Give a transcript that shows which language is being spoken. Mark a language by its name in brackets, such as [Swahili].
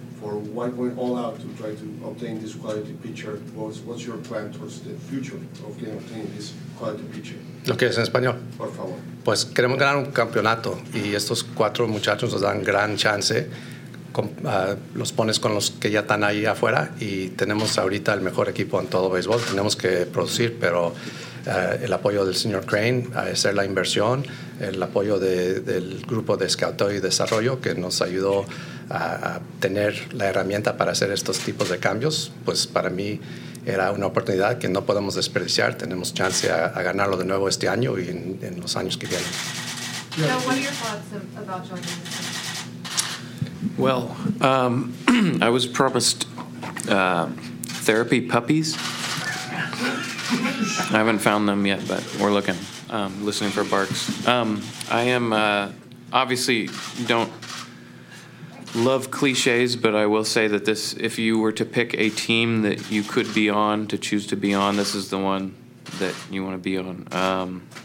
[English] for why going all out to try to obtain this quality pitcher? What's your plan towards the future of obtaining this quality pitcher? [Spanish] ¿Lo quieres en español? Por favor. Pues queremos ganar un campeonato y estos cuatro muchachos nos dan gran chance. Los pones con los que ya están ahí afuera y tenemos ahorita el mejor equipo en todo béisbol. Tenemos que producir, pero el apoyo del señor Crane a hacer la inversión, el apoyo del grupo de scouting y desarrollo que nos ayudó a tener la herramienta para hacer estos tipos de cambios, pues para mí era una oportunidad que no podemos desperdiciar. Tenemos chance a ganarlo de nuevo este año y en los años que vienen. [English] So, what are your thoughts about joining the team? Well, I was promised therapy puppies. I haven't found them yet, but we're looking, listening for barks. I am obviously don't love cliches, but I will say that this, if you were to pick a team that you could be on, to choose to be on, this is the one that you want to be on.